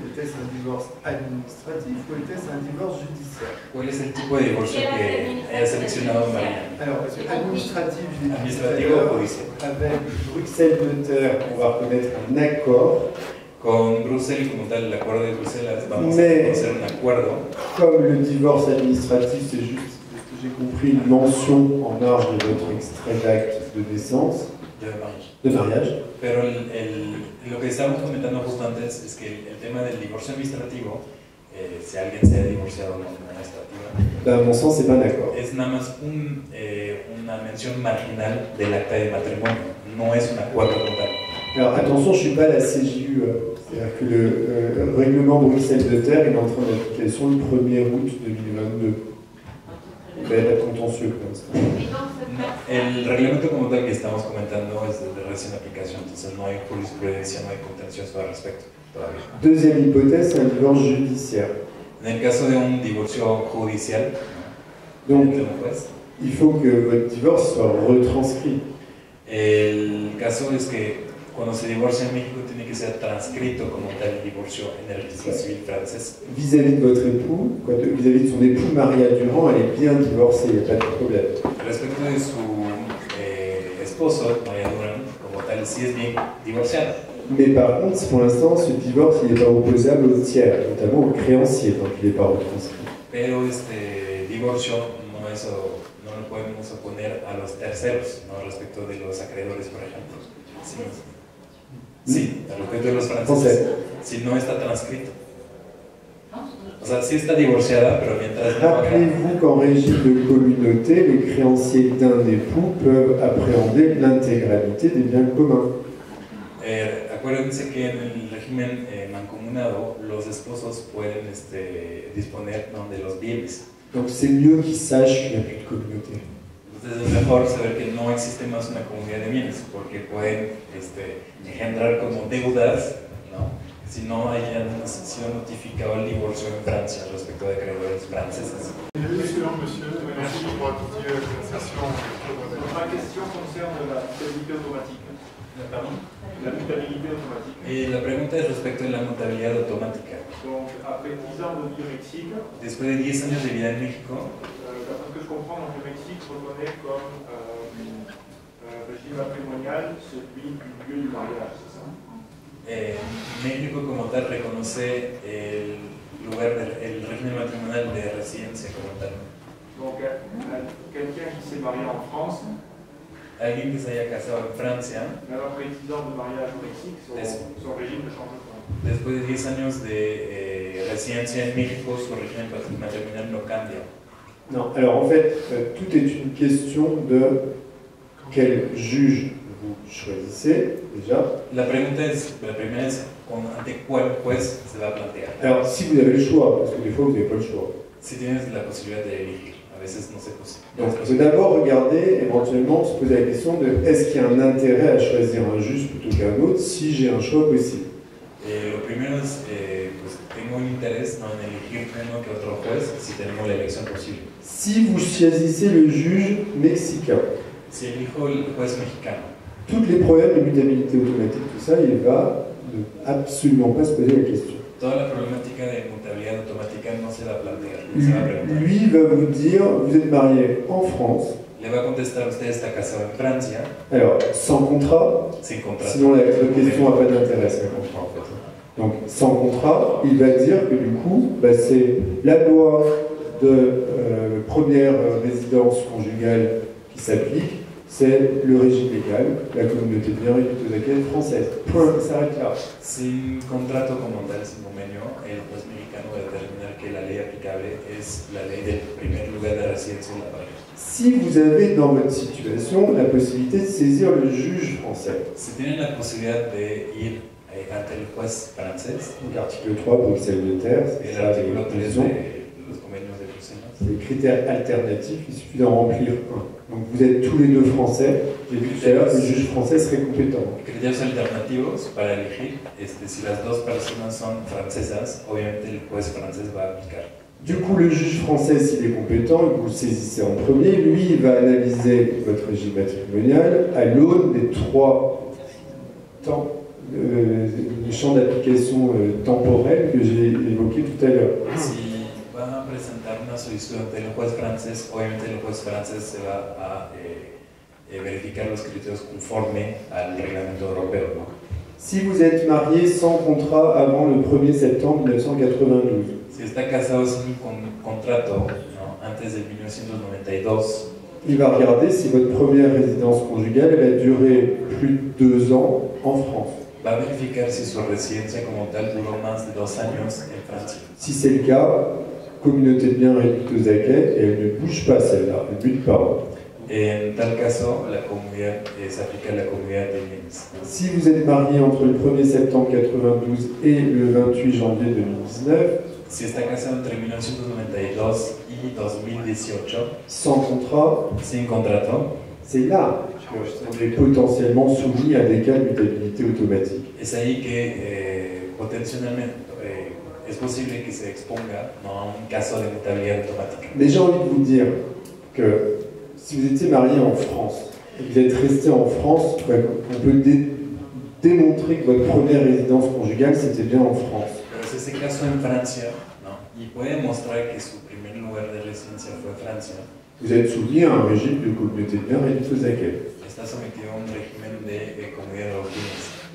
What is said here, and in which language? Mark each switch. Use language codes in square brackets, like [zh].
[fr] Était-ce un divorce administratif ou était-ce un divorce judiciaire? [es] ¿Cuál es el tipo de divorcio que haya seleccionado María? [fr] Alors, administratif, [es] administrativo, judicial. [fr] Avec Bruxelles notaire, on va reconnaître un accord. [es] Con Bruxelles, como tal, el acuerdo de Bruselas, vamos a hacer un acuerdo. [fr] Comme le divorce administratif, c'est juste. J'ai compris une mention en marge de votre extrait d'acte de naissance. De mariage. De mariage. [es] Pero lo que estamos comentando justo antes es que el tema del divorcio administrativo, si alguien se ha divorciado de manera administrativa, [fr] ben, mon sens, c'est pas d'accord. [es] Es nada más una mención marginal del acta de matrimonio, no es una cuota total. [fr] Alors attention, je ne suis pas la CJU, c'est-à-dire que le règlement Bruxelles de Terre est en train d'application le 1er août 2022. [es] El reglamento como tal que estamos comentando es de recién aplicación, entonces no hay jurisprudencia, no hay contencioso al respecto todavía. [fr] Deuxième hypothèse, un divorce judiciaire. [es] En el caso de un divorcio judicial, entonces, [fr] il faut que votre divorce soit retranscrit. [es] El caso es que cuando se divorcia en México tiene que ser transcrito como tal el divorcio en el registro civil francés. [fr] Vis-à-vis de votre époux, vis-à-vis de son époux María Durand, elle est bien divorcée, il n'y a pas de problème. [es] Respecto de su esposo, María Durand, como tal, sí es bien divorciada. [fr] Mais par contre, pour l'instant, ce divorce n'est pas opposable au tiers, notamment au créancier, donc il n'est pas retranscrit. [es] Pero este divorcio no es, no lo podemos oponer a los terceros, no respecto de los acreedores, por ejemplo. Sí, a lo que de los franceses, si no está transcrito. O sea, sí está divorciada, pero mientras no. [fr] Rappelez-vous qu'en régime de communauté, les créanciers d'un époux peuvent appréhender l'intégralité des biens communs. [es] Acuérdense que en el régimen mancomunado, los esposos pueden disponer de los bienes. [fr] Donc c'est mieux qu'ils sachent qu'il n'y a plus de communauté. [es] Es mejor saber que no existe más una comunidad de bienes, porque pueden engendrar como deudas, ¿no? sino hay han sido notificado el divorcio en Francia respecto de acreedores franceses. [fr] Ma question concerne la mutabilité automatique. Pardon? La mutabilité automatique. [es] Et la pregunta es respecto de la mutabilidad automática. [fr] Donc, après 10 ans de vie au Mexique. [es] Después de 10 años de vida en México. [fr] D'après ce que je comprends, donc, le Mexique reconnaît comme régime matrimonial celui du lieu du mariage, c'est ça? [es] México como tal reconoce el lugar del el régimen matrimonial de residencia como tal. [fr] Donc, quelqu'un qui s'est marié en France. [es] Alguien que se haya casado en Francia. [fr] Mais après 10 ans de mariage au Mexique, son régime ne change pas. [es] Después de 10 años de residencia en México, su régimen matrimonial no cambia. [fr] Non, alors en fait, tout est une question de quel juge vous choisissez, déjà. [es] La pregunta es, la primera es, ante cuál juez se va a plantear. [fr] Alors, si vous avez le choix, parce que des fois vous n'avez pas le choix. [es] Si tienes la posibilidad de elegir, a veces no [fr] c'est possible. Donc, vous pouvez d'abord regarder, éventuellement, se poser la question de est-ce qu'il y a un intérêt à choisir un juge plutôt qu'un autre, si j'ai un choix possible. Et [es] lo primero es, pues, tengo un interés en elegir uno que otro juez, si tenemos la elección posible. [fr] Si vous choisissez le juge mexicain. [es] Si elijo el juez mexicano. [fr] Tous les problèmes de mutabilité automatique, tout ça, il va absolument pas se poser la question. [es] Toda la problemática de mutabilidad automática no se va a plantear. [fr] Lui va vous dire, vous êtes marié en France. [es] Le va contestar, usted está casado en Francia. [fr] Alors, sans contrat. [es] Sin contrat. [fr] Sinon, la question n'a pas d'intérêt, c'est un contrat, en fait. Donc, sans contrat, il va dire que du coup, bah, c'est la loi de première résidence conjugale qui s'applique. C'est le régime légal, la communauté de biens et de biens française. Point, ça s'arrête là. [es] Sin contrato como tal, sin convenio, el juez mexicano va determinar que la ley aplicable es la ley del primer lugar de residencia en la pareja. [fr] Si vous avez dans votre situation la possibilité de saisir le juge français. [es] Si tienen la posibilidad de ir ante el juez francés. [fr] L'article 3, Bruxelles de Terre, c'est l'article 3 [es] de los convenios de Bruxelles. [fr] C'est les critères alternatifs, il suffit d'en remplir un. Donc vous êtes tous les deux français, j'ai vu que le juge français serait compétent. Critères alternatifs pour élire, si les deux personnes sont françaises, [es] obviamente [fr] le juez français va appliquer. Du coup, le juge français, s'il est compétent, vous le saisissez en premier, lui, il va analyser votre régime matrimonial à l'aune des trois temps, les champs d'application temporels que j'ai évoqués tout à l'heure. [es] Si. Va a presentar una solicitud ante el juez francés, obviamente el juez francés se va a verificar los criterios conforme al reglamento europeo, ¿no? [fr] Si vous êtes marié sans contrat avant le 1er septembre 1992. [es] Si está casado sin contrato, ¿no? Antes de 1992. [fr] Il va regarder si votre première résidence conjugale elle a duré plus de 2 ans en France. [es] Va a verificar si su residencia como tal duró más de 2 años en Francia. [fr] Si c'est le cas, communauté de biens réduite aux acquêts et elle ne bouge pas celle-là, elle ne bute pas. Et en tel cas, la communauté s'applique à la communauté des biens. Si vous êtes marié entre le 1er septembre 92 et le 28 janvier 2019, [es] si está casado entre 1992 y 2018, [fr] sans contrat, [es] sin contrato, [fr] c'est là que vous êtes potentiellement soumis à des cas de mutabilité automatique. Et c'est là que potentiellement. [es] Es posible que se exponga a un caso de mutabilidad automática. [fr] Mais j'ai envie de vous dire que si vous étiez marié en France et que vous êtes resté en France, on peut démontrer que votre première résidence conjugale c'était bien en France. [es] Pero si ese caso en Francia, ¿no? Y puede mostrar que su primer lugar de residencia fue Francia. [fr] Vous êtes soumis à un régime de communauté de biens réduite aux acquêts. [es] Está sometido a un régimen de comunidad de los bienes.